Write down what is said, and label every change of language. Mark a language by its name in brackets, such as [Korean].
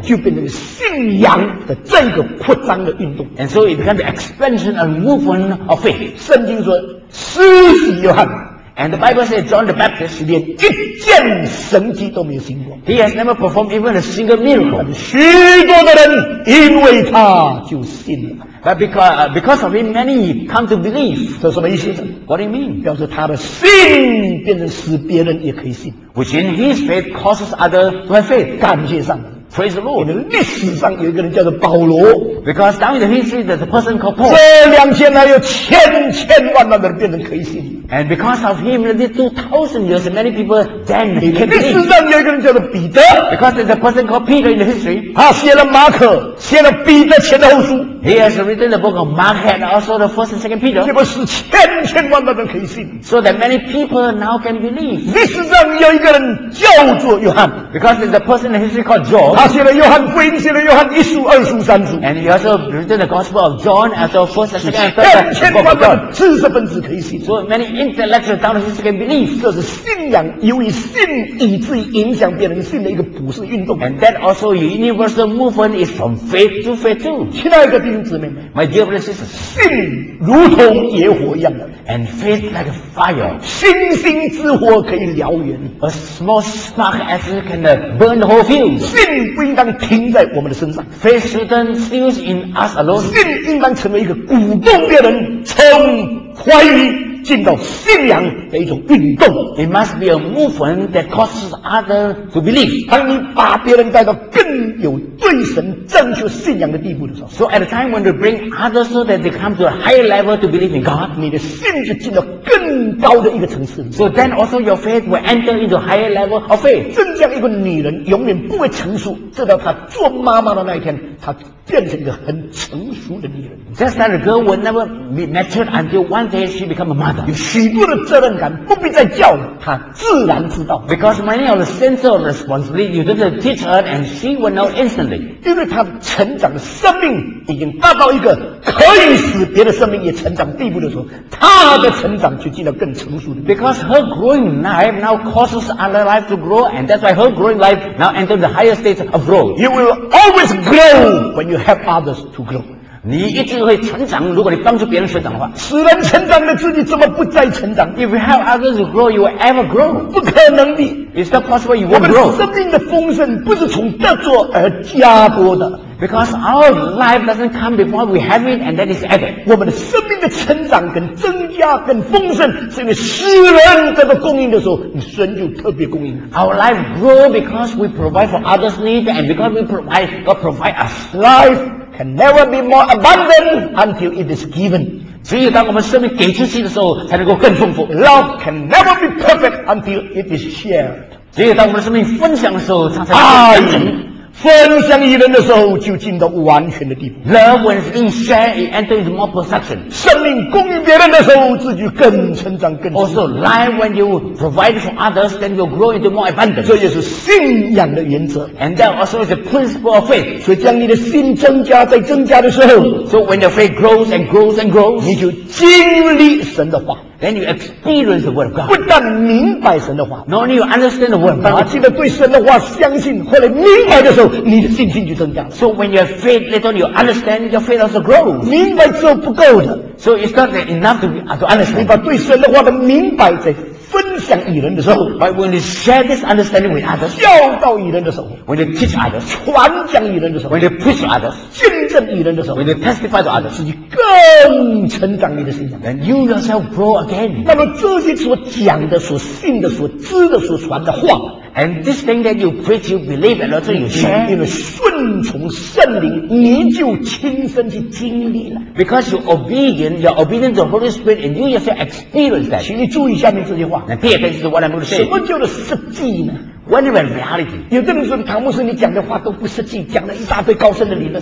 [Chinese] 就变成信仰的这个扩张的运动 [English] ，and so it becomes expansion and move. Of faith. [Chinese] 圣经说，施洗约翰 [English] ，and the Bible says John the Baptist [Chinese] 连一件神迹都没有行过。 [English] He has never performed even a single miracle. [Chinese] 许多的人因为他就信了。 [English] But because of him, many come to believe. [Chinese] 这什么意思 [English] ？What do you mean? [Chinese] 表示他的信变成使别人也可以信。 [English] Which in his faith causes other to have faith. [Chinese] 感谢上帝。 [English] Praise the Lord. [Chinese] 历史上有一个人叫做保罗 [English] ，because down in the history there's a person called Paul. [Chinese] 这2000年有千千万万的人变成可以信 [English] ，and because of him, in the 2000 years, many people then became Christians. [Chinese] 历史上有一个人叫做彼得 [English] ，because there's a person called Peter in the history. [Chinese] 他写了马可，写了彼得前后书。 [English] He has written the book of Mark and also the first and second Peter. [Chinese] 结果是千千万万的人可以信 [English] ，so that many people now can believe. [Chinese] 历史上有一个人叫做约翰 [English] ，because there's a person in the history called John. [Chinese] 他写了约翰福音，写了约翰一书、二书、三书。 [English] And he also written the Gospel of John as the first and second. [Chinese] 千千万万知识分子可以信。 [English] So many intellectuals down the history can believe. [Chinese] 这是信仰，由于信以至于影响别人信的一个普世运动。 [English] And that also universal movement is from faith to faith too. [Chinese] 亲爱的弟兄姊妹们 [English] ，My dear brothers and sisters, [Chinese] 信如同野火一样的。 [English] And faith like a fire. [Chinese] 星星之火可以燎原。 [English] A small spark as it can burn the whole field. [Chinese] 信不应当停在我们的身上。 [English] Faith shouldn't stay in us alone. [Chinese] 信应当成为一个鼓动别人从怀疑进到信仰的一种运动。 [English] It must be a movement that causes others to believe. [Chinese] 当你把别人带到更有对神正确信仰的地步的时候 [English] ，So at a time when you bring others so that they come to a higher level to believe in God, [Chinese] 你的信就进到更高的一个层次。 [English] So then also your faith will enter into a higher level of faith. [Chinese] 真像一个女人永远不会成熟，直到她做妈妈的那一天，她变成一个很成熟的女人。 [English] Just that a girl will never be matured until one day she becomes a mother. [Chinese] 有许多的责任感不必再叫了，她自然知道。 [English] Because many of the sense of responsibility you don't teach her and she will know instantly. [Chinese] 因为她成长的生命已经达到一个可以使别的生命也成长地步的时候，她的成长就进了更成熟的。 [English] Because her growing life now causes other life to grow, and that's why her growing life now enters the higher stage of growth. You will always grow when you have others to grow. [Chinese] 你一定会成长，如果你帮助别人成长的话。使人成长的自己怎么不再成长？ [English] If you help others to grow, you will ever grow. [Chinese] 不可能的。 [English] It's not possible you won't grow. [Chinese] 我们生命的丰盛不是从得着而加播的。 [English] Because our life doesn't come before we have it and that is added. [Chinese] 我们的生命的成长跟增加跟丰盛是因为使人这个供应的时候，你神就特别供应。 [English] Our life grow because we provide for others' need and because we provide, God provide us. Life can never be more abundant until it is given. [Chinese] 只有当我们生命给出去的时候才能够更丰富。 [English] Love can never be perfect until it is shared. [Chinese] 只有当我们生命分享的时候才能够更丰富。分享于人的时候就进到完全的地步。 [English] Love when it's being shared, it enters into more perception. [Chinese] 生命供应别人的时候自己更成长更进步。 [English] Also, life when you provide for others, then you grow into more abundance. [Chinese] 这也是信仰的原则。 [English] And that also is the principle of faith. [Chinese] 所以将你的心增加在增加的时候。 [English] So when your faith grows and grows and grows, [Chinese] 你就经历神的话。 [English] Then you experience the word of God. [Chinese] 不但明白神的话。 [English] Not only you understand the word of God. [Chinese] 当你记得对神的话相信后来明白的时候你的信心就增加。 [English] So when you have faith, later on you understand, your faith also grows. [Chinese] 明白之后不够的。 [English] So it's not enough to understand. [Chinese] 你把对神的话的明白在分享与人的时候。 [English] But when you share this understanding with others. [Chinese] 教导与人的时候。 [English] When you teach others. [Chinese] 传讲与人的时候。 [English] When you preach others. [Chinese] 见证与人的时候。 [English] When you testify to others. [Chinese] 自己更成长你的信仰。 [English] Then you yourself grow again. [Chinese] 那么这些所讲的、所信的、所知的、所传的话。 [English] And this thing that you preach, you believe, and also you share. [Chinese] 因为顺从圣灵，你就亲身去经历了。 [English] Because you're obedient, you're obedient to the Holy Spirit, and you yourself experience that. [Chinese] 请你注意下面这些话。 [English] Now pay attention to what I'm going to say. [Chinese] 什么叫做实际呢？ [English] When you're in reality, [Chinese] 有的人说唐牧师你讲的话都不实际，讲了一大堆高深的理论。